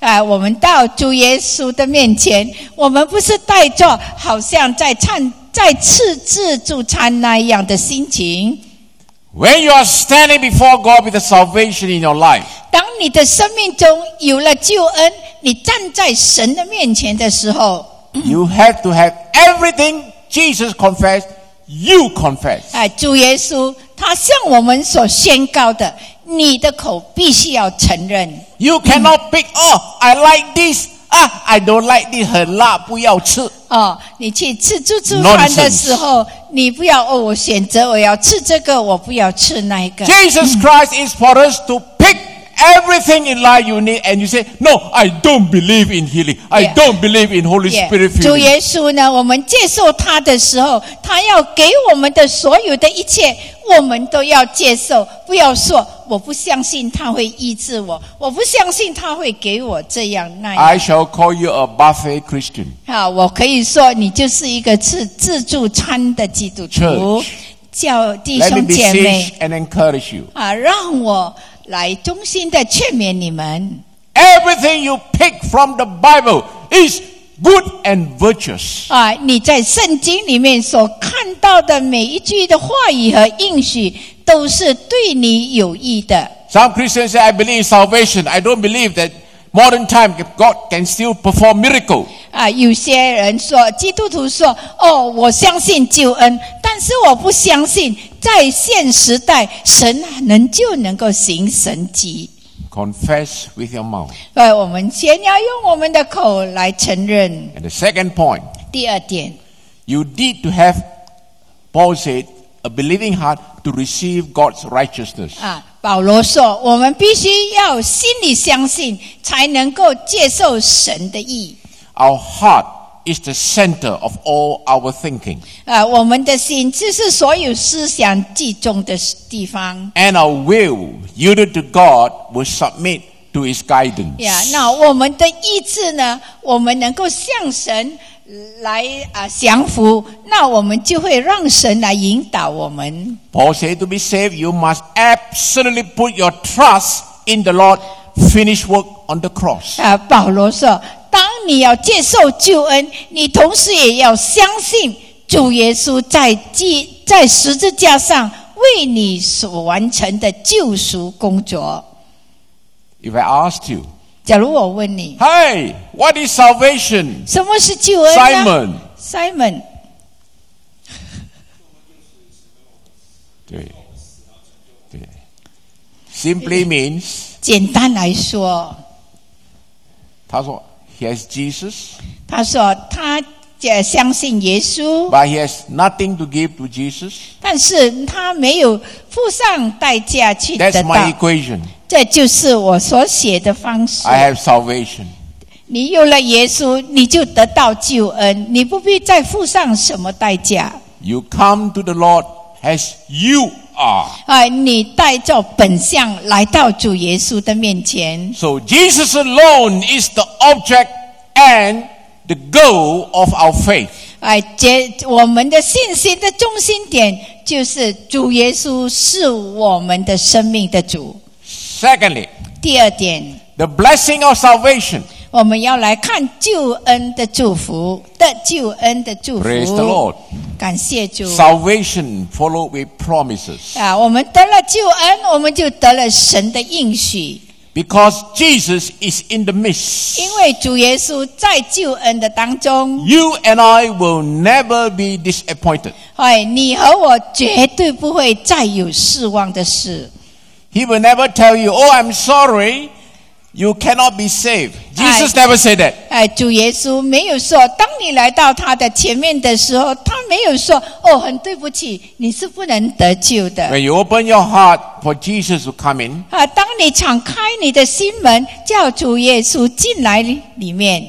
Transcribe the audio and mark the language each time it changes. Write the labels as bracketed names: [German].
[Chinese] 我们到主耶稣的面前，我们不是带着好像在吃自助餐那样的心情。 [English] When you are standing before God with the salvation in your life, [Chinese] 当你的生命中有了救恩，你站在神的面前的时候， [English] you have to have everything Jesus confessed, you confess. [Chinese] 主耶稣他向我们所宣告的，你的口必须要承认。 [English] You cannot pick, oh, I like this, ah, I don't like this, [Chinese] 很辣不要吃。你去吃自助餐的时候，你不要，哦，我选择我要吃这个，我不要吃那个。 [English] Jesus Christ is for us to pick everything in life you need, and you say, no, I don't believe in healing, I don't believe in Holy Spirit healing. [Chinese] 主耶稣呢，我们接受他的时候，他要给我们的所有的一切，我们都要接受，不要说我不相信他会医治我，我不相信他会给我这样那样。 [English] I shall call you a buffet Christian. [Chinese] 好，我可以说你就是一个吃自助餐的基督徒。 [English] Church, [Chinese] 叫弟兄姐妹。 [English] Let me beseech and encourage you. [Chinese] 让我来衷心的劝勉你们。 [English] Everything you pick from the Bible is good and virtuous. [Chinese] 你在圣经里面所看到的每一句的话语和应许都是对你有益的。 [English] Some Christians say, I believe in salvation. I don't believe that modern time God can still perform miracle. [Chinese] 有些人说，基督徒说，哦，我相信救恩，但是我不相信在现时代神能就能够行神迹。 [English] Confess with your mouth. [Chinese] 我们先要用我们的口来承认。 [English] And the second point. [Chinese] 第二点。 [English] You need to have, Paul said, a believing heart,to receive God's righteousness. [Chinese] 保罗说我们必须要心里相信才能够接受神的义。 [English] Our heart is the center of all our thinking. [Chinese] 我们的心就是所有思想集中的地方。 [English] And our will yielded to God will submit to his guidance. [Chinese] 那我们的意志呢，我们能够向神来降服，那我们就会让神来引导我们。 [English] Paul said to be saved you must absolutely put your trust in the Lord finished work on the cross. [Chinese] 保罗说当你要接受救恩，你同时也要相信主耶稣在十字架上为你所完成的救赎工作。 [English] If I asked you, [Chinese] 假如我问你， [English] Hey, what is salvation? [Chinese] 什么是救恩呢？ [English] Simon [Chinese] 对 [English] Simply means [Chinese] 简单来说，他说 [English] He has Jesus. [Chinese] 他说他相信耶稣， [English] But he has nothing to give to Jesus. [Chinese] 但是他没有付上代价去得到。 [English] That's my equation. [Chinese] 这就是我所写的方式。 [English] I have salvation. [Chinese] 你有了耶稣，你就得到救恩，你不必再付上什么代价。 [English] You come to the Lord as you are. [Chinese] 你带着本相来到主耶稣的面前。 [English] So Jesus alone is the object and the goal of our faith. [Chinese] 我们的信心的中心点就是主耶稣是我们的生命的主。 [English] Secondly, [Chinese] 第二点, [English] the blessing of salvation, [Chinese] 我们要来看救恩的祝福的救恩的祝福。 [English] Praise the Lord. [Chinese] 感谢主。 [English] Salvation followed with promises. [Chinese] 啊，我们得了救恩，我们就得了神的应许。 [English] Because Jesus is in the midst. [Chinese] 因为主耶稣在救恩的当中。 [English] You and I will never be disappointed. [Chinese] 你和我绝对不会再有失望的事。 [English] He will never tell you, oh, I'm sorry, you cannot be saved. Jesus never said that. [Chinese] 主耶稣没有说，当你来到他的前面的时候，他没有说，哦，很对不起，你是不能得救的。 [English] When you open your heart for Jesus to come in, [Chinese] 当你敞开你的心门，叫主耶稣进来里面。